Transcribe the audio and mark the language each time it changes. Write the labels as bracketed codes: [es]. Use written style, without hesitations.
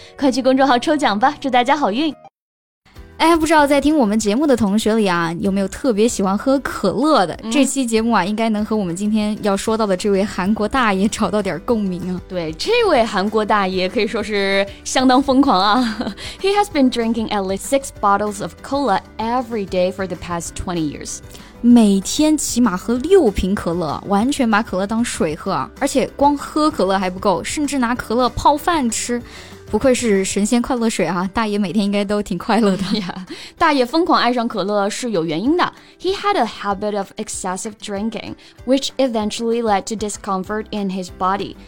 [zh] 快去公众号抽奖吧，祝大家好运。哎，不知道在听我们节目的同学里啊，有没有特别喜欢喝可乐的？这期节目啊，应该能和我们今天要说到的这位韩国大爷找到点共鸣啊。对，这位韩国大爷可以说是相当疯狂啊。 [en] He has been drinking at least 6 bottles of cola every day for the past 20 years. [zh] 每天起码喝6瓶可乐，完全把可乐当水喝啊，而且光喝可乐还不够，甚至拿可乐泡饭吃。不愧是神仙快乐水啊，大爷每天应该都挺快乐的。 [en] Yeah, [zh] 大爷疯狂爱上可乐是有原因的。 [en] He had a habit of excessive drinking, which eventually led to discomfort in his body.